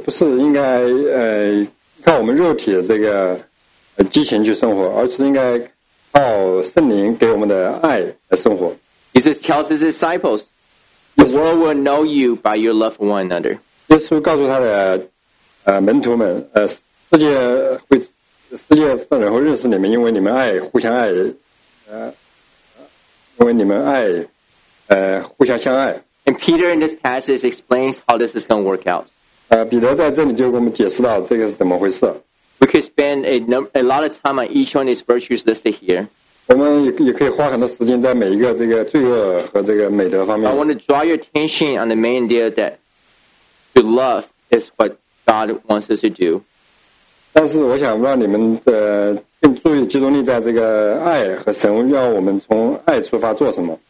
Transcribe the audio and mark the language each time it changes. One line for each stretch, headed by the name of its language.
Chinese: 不是应该靠我们肉体的这个激情去生活，而是应该靠圣灵给我们的爱来生活。
English: Jesus tells his disciples, "The world will know you by your love for one another."
Chinese: 耶稣告诉他的门徒们世界的人会认识你们，因为你们爱互相爱，因为你们爱，互相相爱。
English: And Peter in this passage explains how this is going to work out.
Chinese: 彼得在这里就给我们解释到这个是怎么回事。
English: We could spend a lot of time on each one of these virtues listed here.
Chinese: 我们也可以花很多时间在每一个这个罪恶和这个美德方面。
English: I want to draw your attention on the main idea that to love is what God wants us to do.
Chinese: 但是我想让你们更注意集中力在这个爱和神要我们从爱出发做什么。